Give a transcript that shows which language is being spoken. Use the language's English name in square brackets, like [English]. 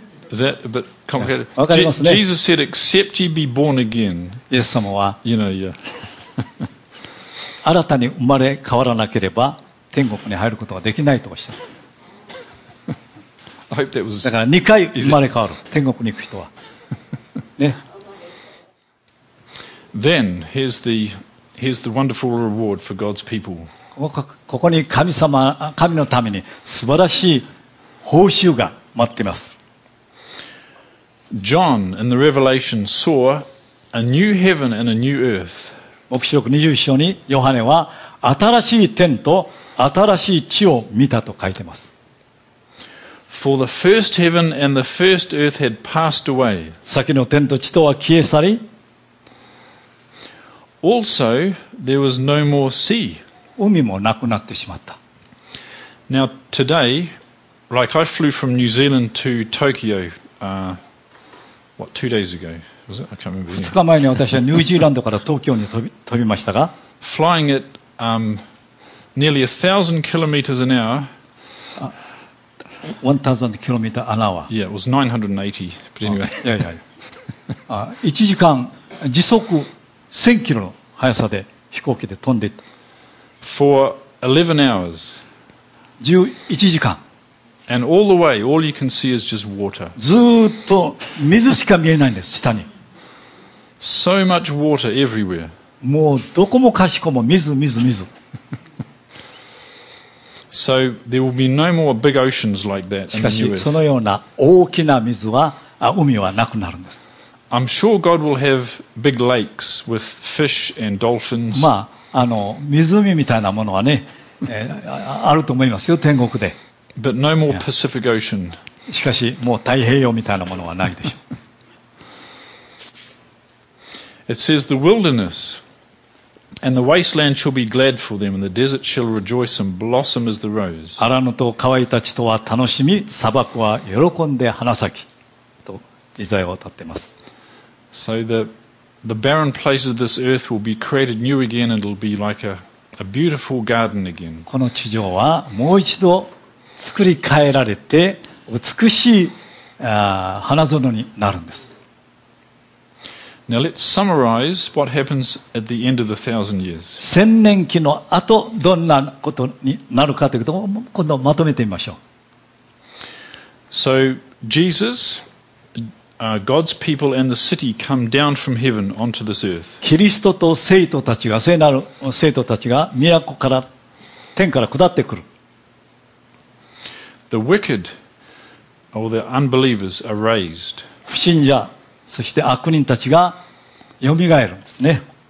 [English] Is that a bit complicated? [Japanese] わかりますね。 [English] Jesus said, except you be born again. [Japanese] イエス様は、 [English] you know, yeah. [Japanese] 新たに生まれ変わらなければ天国に入ることができないとおっしゃ [English] る。I hope that was... [Japanese] だから2回生まれ変わる、天国に行く人は。ね。 [English] Then, here's the wonderful reward for God's people. [Japanese] ここに神のために素晴らしい報酬が待っています。 [English] John in the Revelation saw a new heaven and a new earth. [Japanese] 黙示録21章にヨハネは新しい天と新しい地を見たと書いてます。 [English] For the first heaven and the first earth had passed away. [Japanese] 先の天と地とは消え去り。 [English] Also, there was no more sea. [Japanese] 海もなくなってしまった。 [English] Now, today, like I flew from New Zealand to Tokyo, What, 2 days ago? Was it? I can't remember. [Japanese] 2日前に私はニュージーランドから東京に飛びましたが、 [English] flying at nearly 1,000 kilometers an hour. 1,000 kilometer an hour. Yeah, it was 980. But anyway. [Japanese] いやいや。 1時間時速1000キロの速さで飛行機で飛んでいった。 [English] For 11 hours. [Japanese] 11時間。 [English] And all the way, all you can see is just water. [Japanese] ずっと水しか見えないんです、下に。 [English] So much water everywhere. [Japanese] もうどこもかしこも水、水、水。 [English] So there will be no more big oceans like that in the U.S. [Japanese] しかし、そのような大きな水は、海はなくなるんです。 [English] I'm sure God will have big lakes with fish and dolphins. [Japanese] まあ、湖みたいなものはね、あると思いますよ、天国で。 [English] But no more Pacific Ocean. [Japanese] しかしもう太平洋みたいなものはないでしょう。 [English] It says the wilderness and the wasteland shall be glad for them, and the desert shall rejoice and blossom as the rose. [Japanese] 荒野と乾いた地とは楽しみ、砂漠は喜んで花咲きとイザヤは歌っています。 [English] So the barren places of this earth will be created new again, and it'll be like a beautiful garden again. [Japanese] この地上はもう一度作り変えられて美しい花園になるんです。 [English] Now let's summarize what happens at the end of the thousand years. [Japanese] 千年期の後どんなことになるかということを今度まとめてみましょう。 [English] So Jesus, God's people and the city come down from heaven onto this earth. [Japanese] キリストと聖徒たちが聖なる聖徒たちが都から天から下ってくる。 [English] The wicked All the unbelievers are raised. [Japanese] 不信者、そして悪人たちがよみがえるんですね。